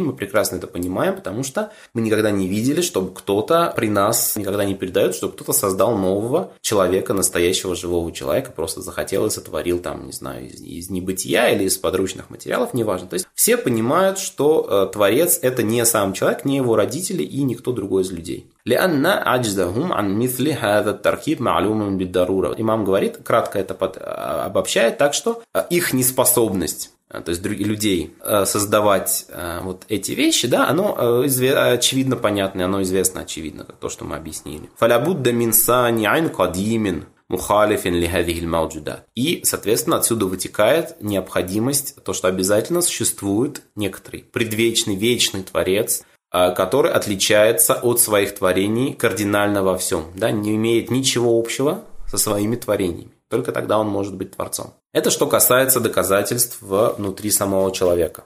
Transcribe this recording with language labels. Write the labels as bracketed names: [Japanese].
[Russian] Мы прекрасно это понимаем, потому что мы никогда не видели, чтобы кто-то при нас никогда не передает, чтобы кто-то создал нового человека, настоящего живого человека, просто захотел и сотворил там, не знаю, из небытия или из подручных материалов, неважно. То есть все понимают, что творец это не сам человек, не его родители и никто другой из людей. [Arabic] لأن عجزهم عن مثل هذا التركيب معلوم بالضرورة. [Russian] Имам говорит, кратко это обобщает, так что их неспособность, то есть других людей создавать вот эти вещи, да, оно очевидно понятно, оно известно очевидно, то, что мы объяснили. [Arabic] فلابد من صانع قديم مخالف لهذه الموجودات. [Russian] И, соответственно, отсюда вытекает необходимость, то, что обязательно существует некоторый предвечный, вечный творец, который отличается от своих творений кардинально во всем, да, не имеет ничего общего со своими творениями. Только тогда он может быть творцом. Это что касается доказательств внутри самого человека.